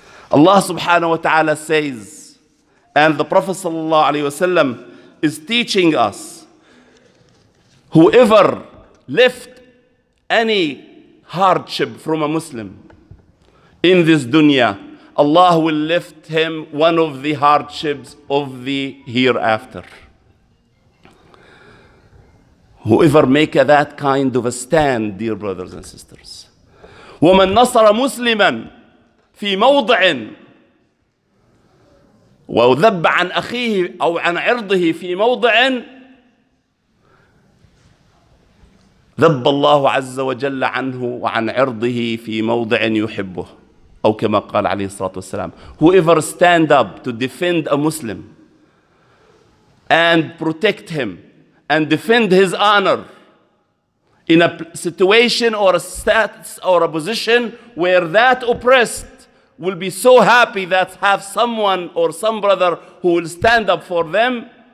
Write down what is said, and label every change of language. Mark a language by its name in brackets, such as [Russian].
[English] Allah subhanahu wa ta'ala says, and the Prophet sallallahu alayhi wasallam is teaching us, whoever left any hardship from a Muslim in this dunya, Allah will lift him one of the hardships of the hereafter. Whoever make that kind of a stand, dear brothers and sisters. [Arabic] وَمَنْ نَصَرَ مُسْلِمًا فِي مَوْضِعٍ وَذَبَّ عَنْ أَخِيهِ أَوْ عَنْ عِرْضِهِ فِي مَوْضِعٍ ذب الله عز وجل عنه وعن عرضه في موضع يحبه أو كما قال عليه الصلاة والسلام. [English] Whoever stand up to defend a Muslim and protect him and defend his honor in a situation or a status or a position where that oppressed will be so happy that have someone or some brother who will stand up for them,